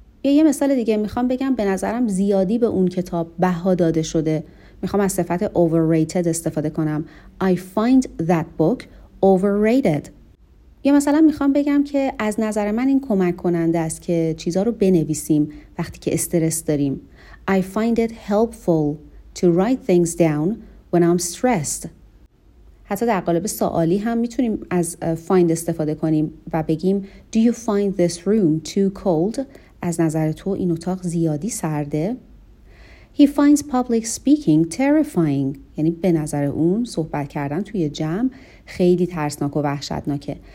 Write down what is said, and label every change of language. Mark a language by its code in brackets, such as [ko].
[fa] یا یه مثال دیگه میخوام بگم به نظرم زیادی به اون کتاب بها داده شده. میخوام از صفت overrated استفاده کنم. [en] I find that book overrated. [fa] یا مثلا میخوام بگم که از نظر من این کمک کننده است که چیزها رو بنویسیم وقتی که استرس داریم. [en] I find it helpful to write things down when I'm stressed. [fa] حتی در قالب سوالی هم میتونیم از find استفاده کنیم و بگیم [en] Do you find this room too cold؟ [fa] از نظر تو این اتاق زیادی سرده؟ [en] He finds public speaking terrifying. [fa] یعنی به نظر اون صحبت کردن توی جمع خیلی ترسناک و وحشتناکه.